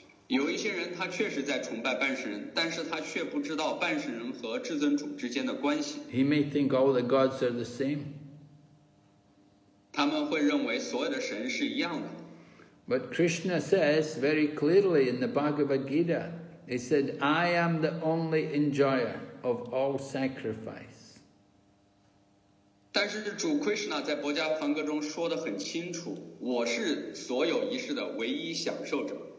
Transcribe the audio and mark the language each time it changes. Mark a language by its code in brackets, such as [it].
[zh] 有一些人他确实在崇拜半神人，但是他却不知道半神人和至尊主之间的关系。 [en] He may think all the gods are the same. [zh] 他们会认为所有的神是一样的。 [en] But Krishna says very clearly in the Bhagavad Gita, he said, I am the only enjoyer of all sacrifice. [zh] 但是主 Krishna 在《薄伽梵歌》中说得很清楚，我是所有仪式的唯一享受者。